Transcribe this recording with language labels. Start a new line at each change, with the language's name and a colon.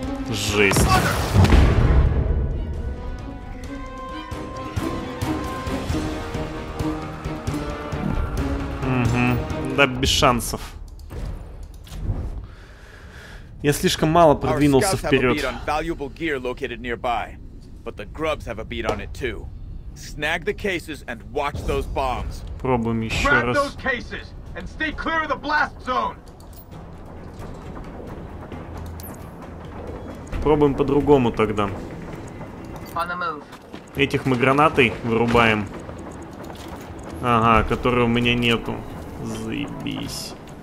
Russian: Жесть. Угу, да без шансов. Я слишком мало продвинулся вперед.
English: Our scouts have a beat on valuable gear located nearby, but the grubs have a beat on it too. Snag the cases and watch those bombs.
Russian: Пробуем еще раз.
English: Grab those cases and stay clear of the blast zone.
Russian: Пробуем по-другому тогда.
English: On the move.
Russian: Этих мы гранатой вырубаем. Ага, которой у меня нету. Заебись.